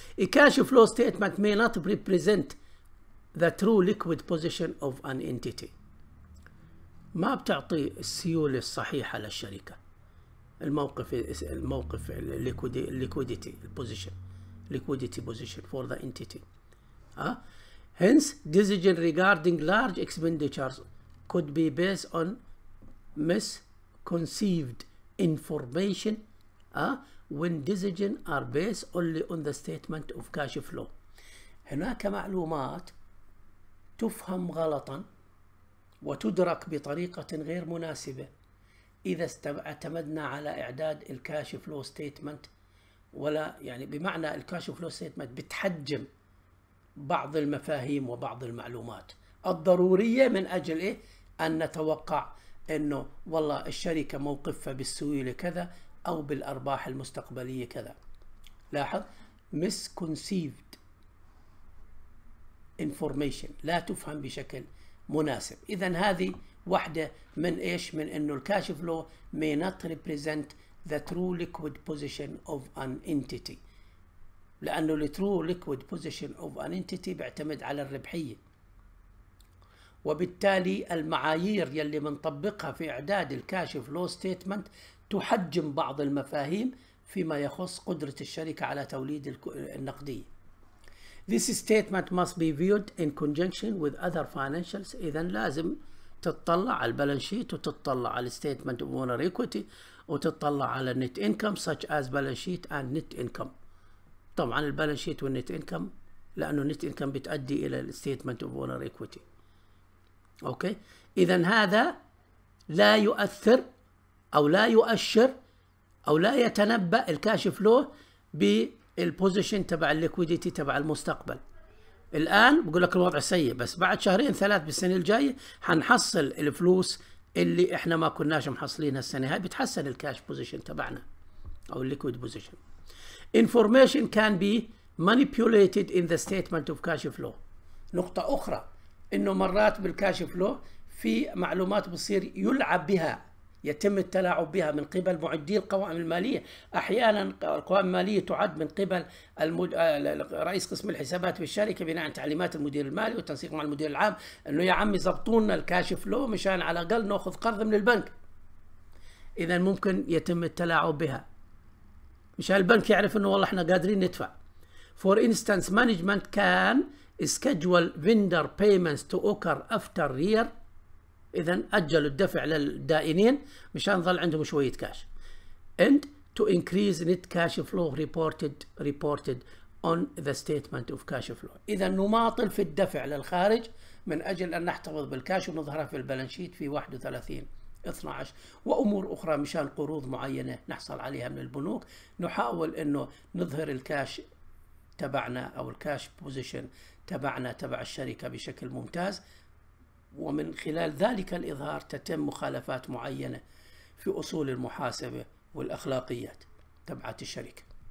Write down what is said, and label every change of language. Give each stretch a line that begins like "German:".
English: الكاش flow statement may not represent the true liquid position of an entity.
Arabic: ما بتعطي السيوله الصحيحه للشركه، الموقف الموقف الليكويديتي البوزيشن
English: Liquidity position for the entity. Hence, decision regarding large expenditures could be based on misconceived information when decision are based only on the statement of cash flow.
Arabic: هناك معلومات تفهم غلطا وتدرك بطريقة غير مناسبة إذا اعتمدنا على إعداد الكاش فلو ستيتمنت، ولا يعني بمعنى الكاش فلو ستيتمنت بتحجم بعض المفاهيم وبعض المعلومات الضرورية من أجل إيه؟ أن نتوقع أنه والله الشركة موقفها بالسيولة كذا أو بالأرباح المستقبلية كذا. لاحظ
English: misconceived information،
Arabic: لا تفهم بشكل مناسب. إذا هذه واحدة من إيش؟ من أنه الكاش فلو
English: may not represent the true liquid position of an entity،
Arabic: لانه
English: الترو liquid position of an entity
Arabic: بيعتمد على الربحيه، وبالتالي المعايير يلي بنطبقها في اعداد الكاش فلو ستيتمنت تحجم بعض المفاهيم فيما يخص قدره الشركه على توليد النقديه.
English: This statement must be viewed in conjunction with other financials.
Arabic: اذا لازم تتطلع على البالانس شيت وتتطلع على الستيتمنت اوف اونر ايكويتي وتتطلع على النت انكم
English: such as balance sheet and net income.
Arabic: طبعا البالانس شيت والنت انكم، لانه النت انكم بتؤدي الى الستيتمنت اوف اونر ايكويتي. اوكي، اذا هذا لا يؤثر او لا يؤشر او لا يتنبأ الكاش فلو بالبوزيشن تبع الليكويديتي تبع المستقبل. الان بقول لك الوضع سيء، بس بعد شهرين ثلاث بالسنه الجايه حنحصل الفلوس اللي احنا ما كناش محصلينها السنه هاي، بتحسن الكاش بوزيشن تبعنا او الليكويد بوزيشن.
English: Information can be manipulated in the statement of cash flow.
Arabic: نقطة أخرى، إنه مرات بالكاش فلو في معلومات بصير يلعب بها، يتم التلاعب بها من قبل معدي القوائم المالية. أحيانا القوائم المالية تعد من قبل رئيس قسم الحسابات بالشركة بناء على تعليمات المدير المالي والتنسيق مع المدير العام، إنه يا عمي زبطونا الكاش فلو مشان على الأقل ناخذ قرض من البنك. إذا ممكن يتم التلاعب بها، مش البنك يعرف انه والله احنا قادرين ندفع.
English: For instance, management can schedule vendor payments to occur after year.
Arabic: اذا اجلوا الدفع للدائنين مشان نظل عندهم شويه كاش.
English: And to increase net cash flow reported on the statement of cash flow.
Arabic: اذا نماطل في الدفع للخارج من اجل ان نحتفظ بالكاش ونظهرها في البالانس شيت في 31/12 وامور اخرى مشان قروض معينه نحصل عليها من البنوك، نحاول انه نظهر الكاش تبعنا او الكاش بوزيشن تبعنا تبع الشركه بشكل ممتاز، ومن خلال ذلك الاظهار تتم مخالفات معينه في اصول المحاسبه والاخلاقيات تبعت الشركه.